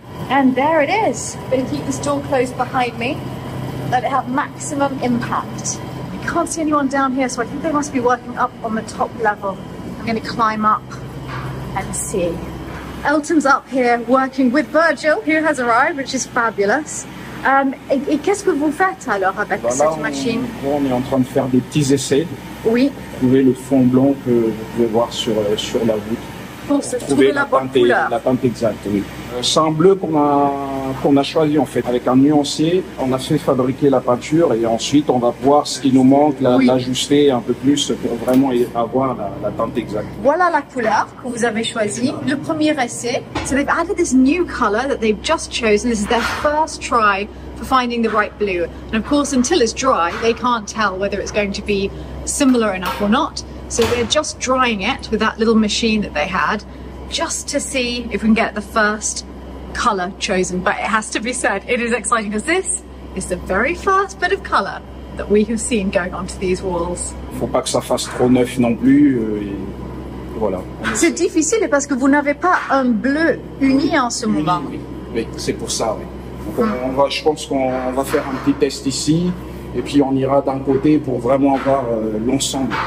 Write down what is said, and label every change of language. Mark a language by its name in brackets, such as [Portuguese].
[English] And there it is. Better keep this door closed behind me. Let it have maximum impact. I can't see anyone down here, so I think they must be working up on the top level. I'm going to climb up and see. Elton's up here working with Virgil, who has arrived, which is fabulous. [French] Et qu'est-ce que vous faites alors avec voilà, cette machine? On est en train de faire des petits essais. Oui. Trouver le fond blanc que vous pouvez voir sur la voûte. Pour se trouver la bonne teinte, couleur. La teinte exacte, oui. C'est un bleu qu'on a choisi en fait. Avec un nuancier, on a fait fabriquer la peinture et ensuite on va voir ce qui nous manque, l'ajuster un peu plus pour vraiment avoir la teinte exacte. Voilà la couleur que vous avez choisie. Le premier essai. [English] So they've added this new color that they've just chosen. This is their first try for finding the right blue. And of course, until it's dry, they can't tell whether it's going to be similar enough or not. So they're just drying it with that little machine that they had, just to see if we can get the first colour chosen. But it has to be said, it is exciting because this is the very first bit of colour that we have seen going onto these walls. [French] Faut pas que ça fasse trop neuf non plus. Voilà. C'est difficile parce que vous n'avez pas un bleu uni en ce moment. Oui, oui. C'est pour ça. Oui. Donc je pense qu'on va faire un petit test ici. Et puis on ira d'un côté pour vraiment avoir l'ensemble.